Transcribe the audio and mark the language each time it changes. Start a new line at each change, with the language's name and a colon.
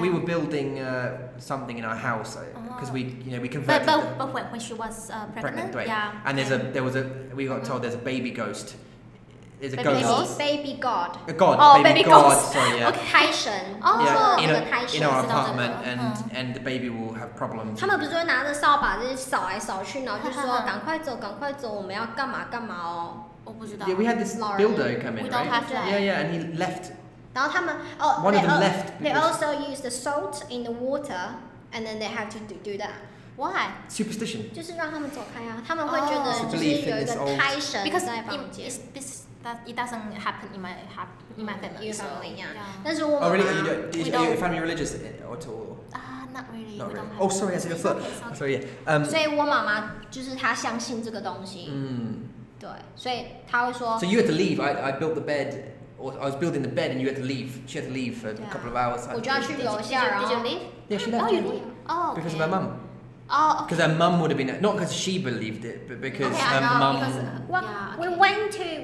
English: We were building something in our house because we converted. But when she was pregnant, right. Yeah. And we got told there's a baby ghost. Is a ghost. Baby god. A god. Oh, baby god. Sorry, yeah. Okay. 胎神. Oh, yeah. In our apartment, and the baby will have problems.
Chinese: 他们不是会拿着扫把这些扫来扫去，然后就说赶快走，赶快走，我们要干嘛干嘛哦。我不知道。
English: Yeah, we had this builder come in, right? Yeah, and he left.
Chinese: 然后他们哦
English: ，one of them left. They also use the salt in the water, and then they have to do that. Why? Superstition.
Chinese: 就是让他们走开啊！他们会觉得就是有一个胎神在房间。
English: Because it doesn't happen in my family. Your family, so, yeah. That's all. Oh, really? You don't, are your family religious at all? Not really. Not we really. Don't have oh, sorry, I said a foot. Sorry, yeah.
Chinese: 所以我妈妈就是她相信这个东西。对，所以她会说。
English: So you had to leave. I built the bed, or I was building the bed, and you had to leave. She had to leave for a couple of hours.
Chinese: 我就要去留下，然后。
English: Did you leave? Yeah, she left. Oh, you leave. Oh, okay. Because her mum would have been, not because she believed it, but because okay, her mum. Well, yeah, okay.